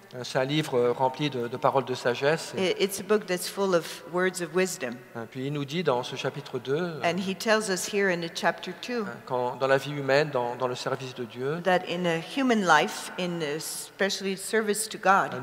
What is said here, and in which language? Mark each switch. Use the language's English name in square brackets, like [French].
[French] C'est un livre rempli de paroles de sagesse. [English] Et, it's a book that's full of words of wisdom. [French] Puis il nous dit dans ce chapitre 2. [English] And he tells us here in the chapter 2. [French] Quand dans la vie humaine, dans le service de Dieu. [English] That in a human life, in especially service to God.